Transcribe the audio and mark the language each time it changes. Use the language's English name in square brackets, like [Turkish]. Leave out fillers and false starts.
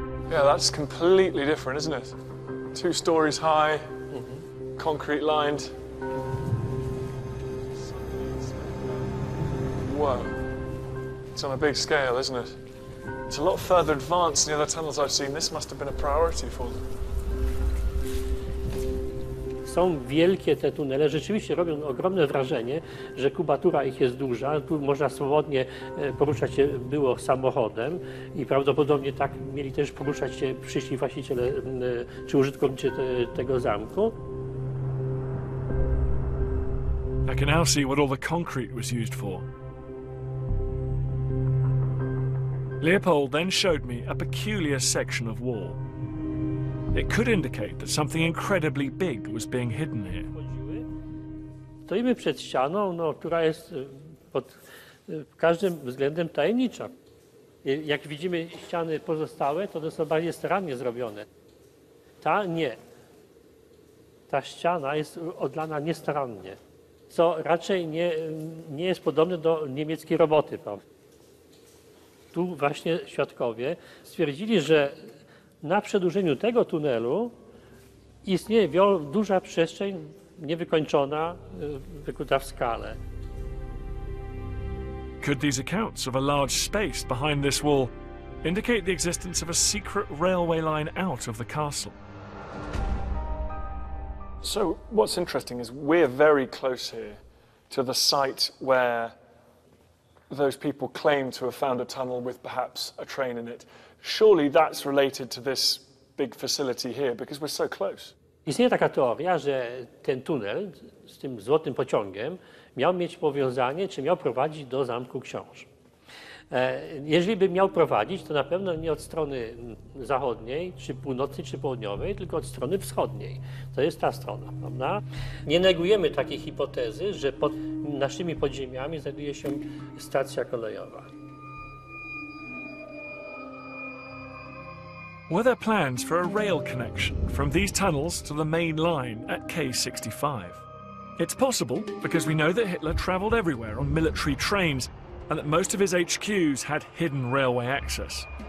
[English] Yeah, that's completely different, isn't it? Two stories high, mm-hmm. Concrete lined. Whoa. It's on a big scale, isn't it? It's a lot further advanced than the other tunnels I've seen. This must have been a priority for them. [Polish] Są wielkie te tunele, rzeczywiście robią ogromne wrażenie, że kubatura ich jest duża, tu można swobodnie poruszać się było samochodem i prawdopodobnie tak mieli też poruszać się przyszli właściciele czy użytkownicy tego zamku. [English] I can now see what all the concrete was used for. Leopold then showed me a peculiar section of wall. It could indicate that something incredibly big was being hidden here. [Polish] Stoimy przed ścianą, no, która jest pod każdym względem tajemnicza. Jak widzimy ściany pozostałe, to one są bardziej starannie zrobione. Ta nie. Ta ściana jest odlana niestarannie. co raczej nie jest podobne do niemieckiej roboty. Prawda? Tu właśnie świadkowie stwierdzili, że na przedłużeniu tego tunelu istnieje duża przestrzeń niewykończona, wykuta w skalę. [English] Could these accounts of a large space behind this wall indicate the existence of a secret railway line out of the castle? So what's interesting is we're very close here to the site where those people claim to have found a tunnel with perhaps a train in it. Surely that's related to this big facility here because we're so close. [Polish] Istnieje taka teoria, że ten tunel z tym złotym pociągiem miał mieć powiązanie, czy miał prowadzić do zamku książ. Jeżeli by miał prowadzić, to na pewno nie od strony zachodniej, czy północnej, czy południowej, tylko od strony wschodniej. To jest ta strona, prawda? Nie negujemy takiej hipotezy, że pod naszymi podziemiami znajduje się stacja kolejowa. [English] Were there plans for a rail connection from these tunnels to the main line at K65? It's possible because we know that Hitler traveled everywhere on military trains and that most of his HQs had hidden railway access.